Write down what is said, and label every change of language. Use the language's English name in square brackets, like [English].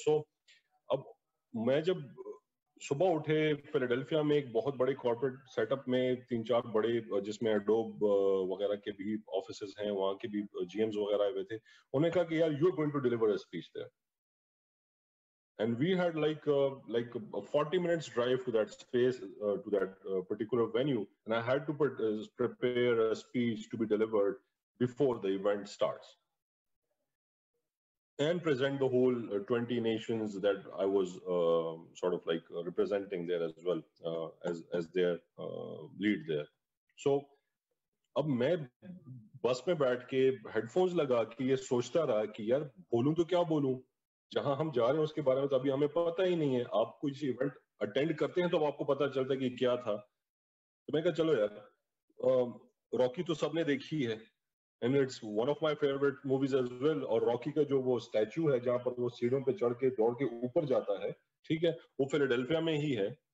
[Hindi] सो अब मैं जब सुबह उठे फिलाडेल्फिया में एक बहुत बड़े कॉर्पोरेट सेटअप में, तीन चार बड़े जिसमें एडोब वगैरह के भी ऑफिस हैं, वहां के भी जीएम्स वगैरह आए हुए थे, उन्होंने कहा कि यार [English] You are going to deliver a speech there. And we had like 40 minutes drive to that space, to that particular venue, and I had to prepare a speech to be delivered before the event starts. And present the whole 20 nations that I was sort of like representing there as well, as their lead there. So [Hindi] अब मैं बस में बैठ के headphones लगा के ये सोचता रहा कि यार बोलूं तो क्या बोलूं, जहां हम जा रहे हैं उसके बारे में तो अभी हमें पता ही नहीं है, आप कुछ इवेंट अटेंड करते हैं तो आपको पता चलता है कि क्या था। तो मैं कहा चलो यार रॉकी तो सबने देखी है [English] and it's one of my favourite movies as well, [Hindi] और रॉकी का जो वो स्टैचू है जहां पर वो सीढ़ियों पे चढ़ के दौड़ के ऊपर जाता है, ठीक है, वो फिलाडेल्फिया में ही है।